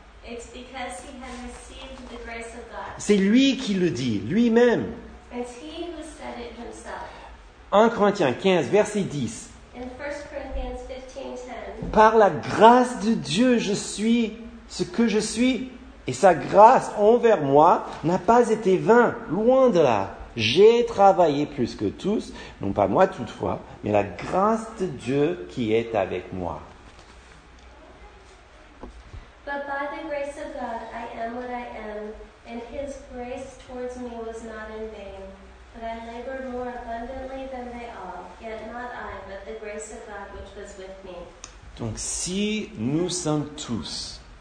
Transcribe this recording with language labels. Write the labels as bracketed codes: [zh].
[en] It's because he had received the grace of God. [fr] C'est lui qui le dit, lui-même. [en] It's he who said it himself. [fr] 1 Corinthiens 15, verset 10. [en] In 1 Corinthians 15, 10. [fr] Par la grâce de Dieu, je suis ce que je suis. Et sa grâce envers moi n'a pas été vain, loin de là. J'ai travaillé plus que tous, non pas moi toutefois, mais la grâce de Dieu qui est avec moi. [en] But by the grace of God, I am what I am, and his grace towards me was not in vain. But I labored more abundantly than they all, yet not I, but the grace of God which was with me. [fr] Donc si nous sommes tous,